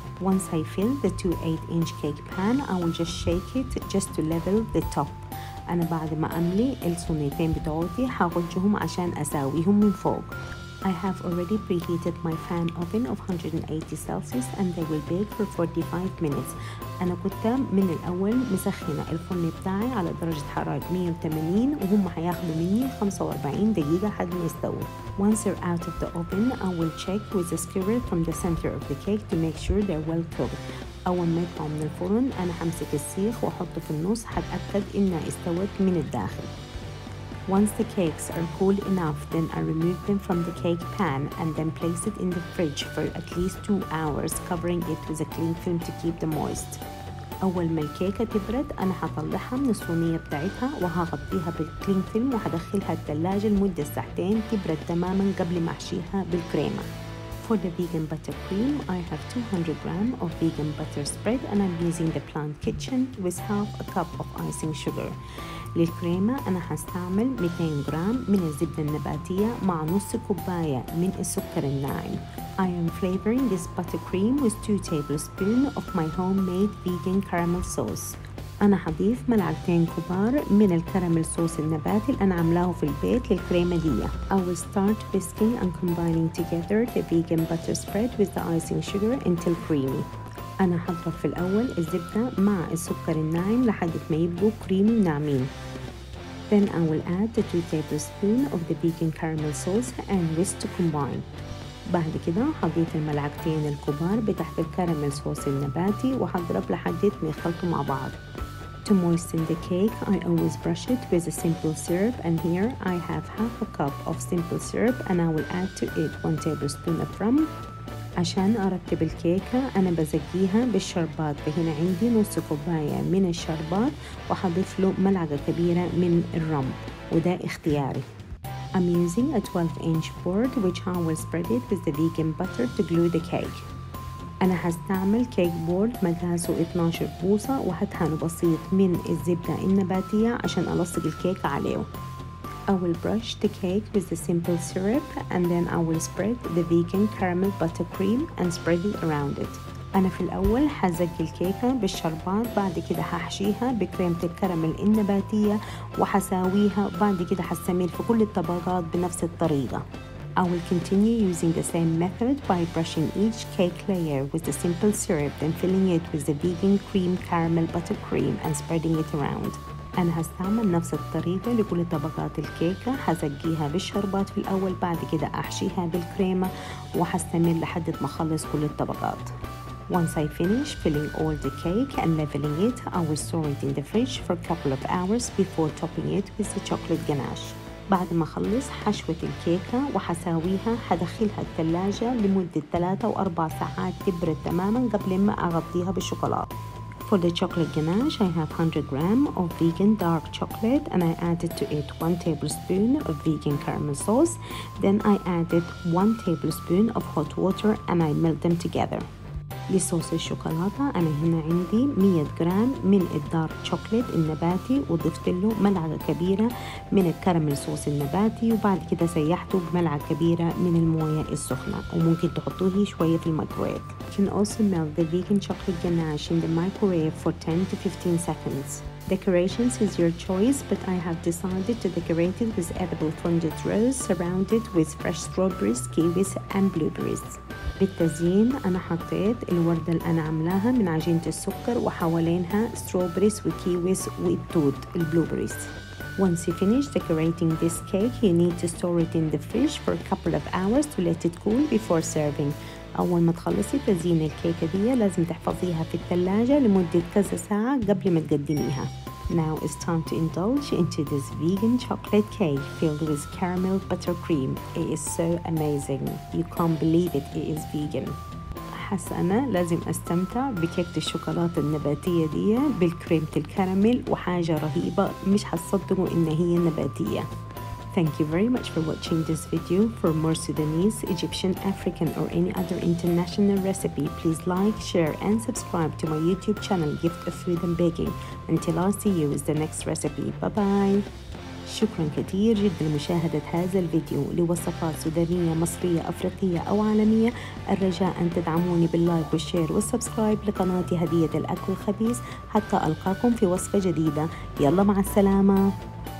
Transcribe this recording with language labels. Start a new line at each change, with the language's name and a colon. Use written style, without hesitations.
English: Once I fill the 2 8-inch cake pan, I will just shake it just to level the top.
Arabic: أنا بعد ما أملي الصينيتين بتوعتي هغجهم عشان أساويهم من فوق.
English: I have already preheated my fan oven of 180 Celsius and they will bake for 45 minutes.
Arabic: أنا كنت من الأول مسخنة الفرن بتاعي على درجة حرارة 180 وهم هياخدوا مني 45 دقيقة حد ما يستوي.
English: Once they're out of the oven, I will check with the skewer from the center of the cake to make sure they're well cooked.
Arabic: أول ما يطلعوا من الفرن أنا همسك السيخ وأحطه في النص هتأكد إنها استوت من الداخل.
English: Once the cakes are cool enough, then I remove them from the cake pan and then place it in the fridge for at least 2 hours, covering it with a cling film to keep them moist.
Arabic: أول ما الكيكة تبرد أنا هطلعها من الصينية بتاعتها وهغطيها بالكلينج فيلم وهدخلها الثلاجة لمدة 2 ساعة تبرد تماما قبل ما احشيها بالكريمة.
English: For the vegan butter cream, I have 200 grams of vegan butter spread and I'm using the Plant Kitchen with 1/2 cup of icing sugar.
Arabic: للكريمة أنا هستعمل 200 جرام من الزبدة النباتية مع نص كوباية من السكر الناعم.
English: I am flavoring this buttercream with 2 tablespoons of my homemade vegan caramel sauce.
Arabic: أنا هضيف 2 ملاعق كبار من الكراميل صوص النباتي اللي أنا عملاه في البيت للكريمة دي.
English: I will start whisking and combining together the vegan butter spread with the icing sugar until creamy.
Arabic: أنا هضرب في الأول الزبدة مع السكر الناعم لحد ما يبقوا كريمي ناعمين.
English: Then I will add the 2 tablespoons of the vegan caramel sauce and whisk to combine.
Arabic: بعد كده حضيت الملعقتين الكبار بتاعت الكراميل صوص النباتي وهضرب لحد ما يخلطوا مع بعض.
English: To moisten the cake, I always brush it with a simple syrup, and here I have half a cup of simple syrup, and I will add to it 1 tablespoon of rum.
Arabic: عشان أرتب الكيكة أنا بزقيها بالشربات، فهنا عندي نص كوباية من الشربات وحضيف له ملعقة كبيرة من الرم، وده اختياري.
English: I'm using a 12-inch board which I will spread it with the vegan butter to glue the cake.
Arabic: أنا هستعمل كيك بورد مقاسه 12 بوصة وهدهنه بسيط من الزبدة النباتية عشان ألصق الكيك عليه.
English: I will brush the cake with the simple syrup and then I will spread the vegan caramel buttercream and spread it around it.
Arabic: أنا في الأول هزق الكيكة بالشربات، بعد كده هحشيها بكريمة الكراميل النباتية وحساويها، بعد كده هستمر في كل الطبقات بنفس الطريقة.
English: I will continue using the same method by brushing each cake layer with the simple syrup then filling it with the vegan cream caramel buttercream and spreading it around.
Arabic: أنا هستعمل نفس الطريقة لكل طبقات الكيكة، هزقيها بالشربات في الأول، بعد كده أحشيها بالكريمة وهستمر لحد ما أخلص كل الطبقات.
English: Once I finish filling all the cake and leveling it, I will store it in the fridge for a couple of hours before topping it with the chocolate ganache.
Arabic: بعد ما خلص حشوة الكيكة وحساويها هدخلها الثلاجة لمدة 3-4 ساعات تبرد تماما قبل ما أغطيها بالشوكولاتة.
English: For the chocolate ganache, I have 100 grams of vegan dark chocolate and I added to it 1 tablespoon of vegan caramel sauce. Then I added 1 tablespoon of hot water and I melt them together.
Arabic: لصوص الشوكولاتة أنا هنا عندي 100 جرام من الدارك شوكليت النباتي وضفت له ملعقة كبيرة من الكراميل صوص النباتي، وبعد كده سيحته بملعقة كبيرة من الموية السخنة، وممكن تحطوه شوية في الميكرويف.
English: You can also melt the vegan chocolate ganache in the microwave for 10 to 15 seconds. Decorations is your choice, but I have decided to decorate it with edible fondant rose surrounded with fresh strawberries, kiwis and blueberries.
Arabic: بالتزيين أنا حطيت الوردة اللي أنا عملاها من عجينة السكر وحوالينها strawberries وكيويس والتوت البلوبريز.
English: Once you finish decorating this cake, you need to store it in the fridge for a couple of hours to let it cool before serving.
Arabic: أول ما تخلصي تزيين الكيكة دي لازم تحفظيها في الثلاجة لمدة كذا ساعة قبل ما تقدميها.
English: Now it's time to indulge into this vegan chocolate cake filled with caramel buttercream. It is so amazing. You can't believe it. It is vegan.
Arabic: حاسة أنا لازم أستمتع بكيكة الشوكولاتة النباتية دي بالكريمة الكراميل، وحاجة رهيبة مش هتصدقوا إن هي نباتية.
English: Thank you very much for watching this video. For more Sudanese, Egyptian, African or any other international recipe, please like, share and subscribe to my YouTube channel, Gift of Food and Baking. Until I see you with the next recipe. Bye-bye.
Arabic: شكرا كثير جدا لمشاهدة هذا الفيديو. لوصفات سودانية مصرية أفريقية أو عالمية، الرجاء أن تدعموني باللايك والشير والسبسكرايب لقناتي هدية الأكل الخبيث حتى ألقاكم في وصفة جديدة. يلا مع السلامة.